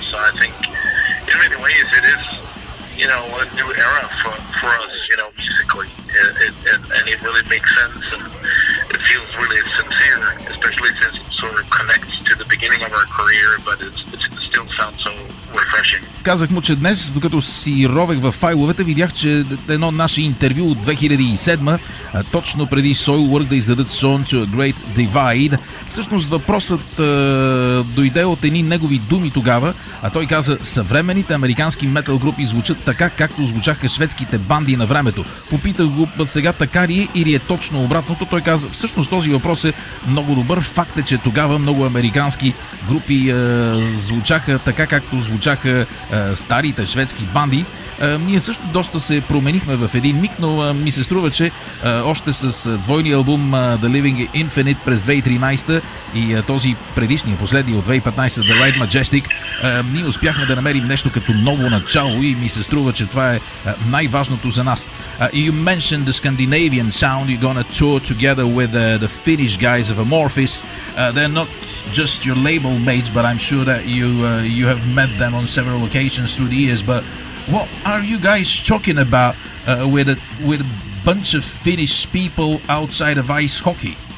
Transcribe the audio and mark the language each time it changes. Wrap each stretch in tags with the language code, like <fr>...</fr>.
<en>So I think in many ways it is, you know, a new era for us, you know, musically, and it really makes sense. And it feels really sincere, especially since it sort of connects to the beginning of our career, but it's still sounds so refreshing.</en> <bg>Казах му, че днес, докато си ровех в файловете, видях, че едно наше интервю от 2007, точно преди Soilwork да издадат Song to a Great Divide. Всъщност въпросът дойде от едни негови думи тогава, а той каза, съвременните американски метал групи звучат така, както звучаха шведските банди на времето. Попитах го сега така ли е или е точно обратното. Той каза, всъщност този въпрос е много добър. Факт е, че тогава много американски групи звучаха така, както звучаха старите шведски банди. Ние също доста се променихме в един миг, но ми се струва, че още с двойния албум The Living Infinite през 2013 и този предишния, последния от 2015, The Riot Majestic, ние успяхме да намерим нещо като ново начало и ми се струва, че това е най-важното за нас.</bg> <en>You mentioned the Scandinavian sound, you're gonna tour together with the Finnish guys of Amorphis. They're not just your label mates, but I'm sure that you have met them on several occasions through the years, but what are you guys talking about with a bunch of Finnish people outside of ice hockey?</en>